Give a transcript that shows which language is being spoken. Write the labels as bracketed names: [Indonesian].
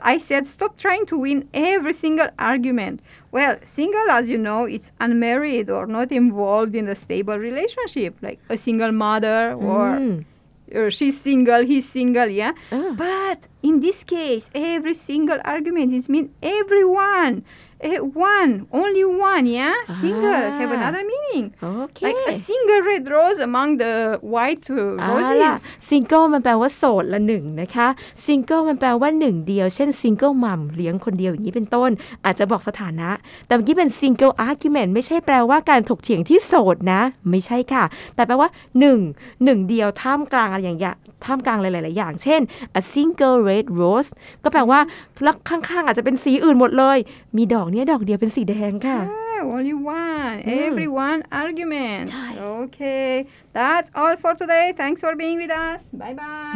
[English] I said, stop trying to win every single argument. Well, single, as you know, it's unmarried or not involved in a stable relationship, like a single mother or, or she's single, he's single, yeah? But in this case, every single argument is mean everyone. One, only one, yeah? Single, have another meaning. Okay. Like a single red rose among the white roses. [Thai] Ah, single มันแปลว่าโสดละหนึ่งนะคะ Single มันแปลว่าหนึ่งเดียวเช่น single mom เลี้ยงคนเดียวอย่างนี้เป็นต้นอาจจะบอกสถานะแต่เมื่อกี้เป็น single argument ไม่ใช่แปลว่าการถกเถียงที่โสดนะไม่ใช่ค่ะแต่แปลว่าหนึ่งหนึ่งเดียวท่ามกลางอะไรอย่างเงี้ยท่ามกลางหลายๆอย่างเช่น [English] a single red rose [Thai] ก็แปลว่าแล้วข้างๆอาจจะเป็นสีอื่นหมดเลยมีดอกเนี้ยดอกเดียวเป็นสีแดงค่ะ [English] only one everyone argument [Thai] ใช่ [English] okay that's all for today thanks for being with us bye bye